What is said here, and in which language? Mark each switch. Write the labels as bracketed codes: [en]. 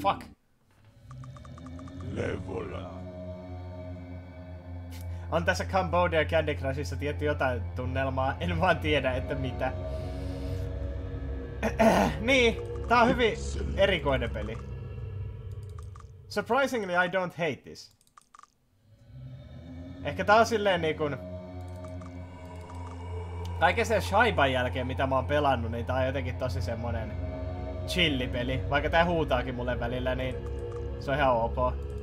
[en] Fuck! Level. [fi] On tässä Cambodia Candy Crushissa tietty jotain tunnelmaa. En vaan tiedä, että mitä. Niin, tää on hyvin erikoinen peli. [en] Surprisingly, I don't hate this. [fi] Ehkä tää on silleen niinkun... Kaiken sen Shaiban jälkeen, mitä mä oon pelannut, niin tää on jotenkin tosi semmonen... chillipeli. Vaikka tää huutaakin mulle välillä, niin... Se on ihan ok.